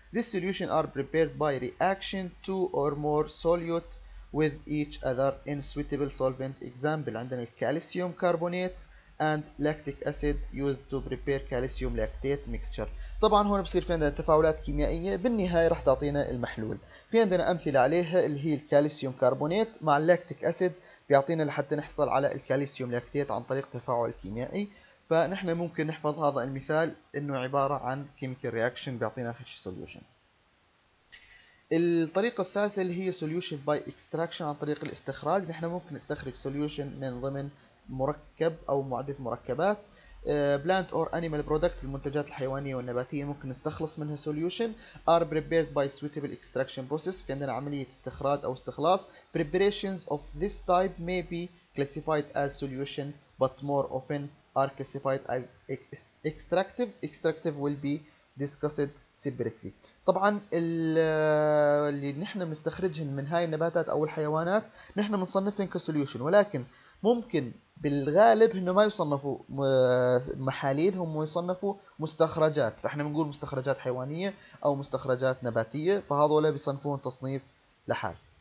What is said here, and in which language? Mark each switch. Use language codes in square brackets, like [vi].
[en] This solution are prepared by reaction two or more solute with each other in suitable solvent. Example عندنا calcium carbonate and lactic acid used to prepare calcium lactate mixture. [ar] طبعا هون بصير في عندنا تفاعلات كيميائية بالنهاية رح تعطينا المحلول. في عندنا أمثلة عليها اللي هي الكالسيوم كربونات مع اللاكتيك أسيد بيعطينا لحتى نحصل على الكالسيوم لاكتيت عن طريق تفاعل كيميائي. فنحن ممكن نحفظ هذا المثال انه عبارة عن chemical reaction بيعطينا اخر شيء solution. الطريقة الثالثة اللي هي solution by extraction عن طريق الاستخراج، نحن ممكن نستخرج solution من ضمن مركب او معدة مركبات. [en] Plant or animal product، [ar] المنتجات الحيوانية والنباتية ممكن نستخلص منها solution. [en] Are prepared by suitable extraction process، [ar] في عندنا عملية استخراج أو استخلاص. [en] Preparations of this type may be classified as solution but more often are classified as extractive. Extractive will be discussed separately. [ar] طبعا اللي نحن مستخرجهن من هاي النباتات أو الحيوانات نحن منصنفهن كسوليوشن، ولكن ممكن بالغالب انه ما يصنفوا محاليل، هم يصنفوا مستخرجات، فاحنا بنقول مستخرجات حيوانيه او مستخرجات نباتيه، فهذول بيصنفوهم تصنيف لحال.